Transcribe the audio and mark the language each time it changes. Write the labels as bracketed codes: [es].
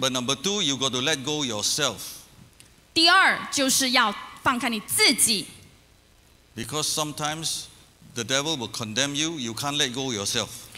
[en] But number two, you got to let go yourself. [zh] 第二，就是要放开你自己。 [en] Because sometimes the devil will condemn you, you can't let go yourself.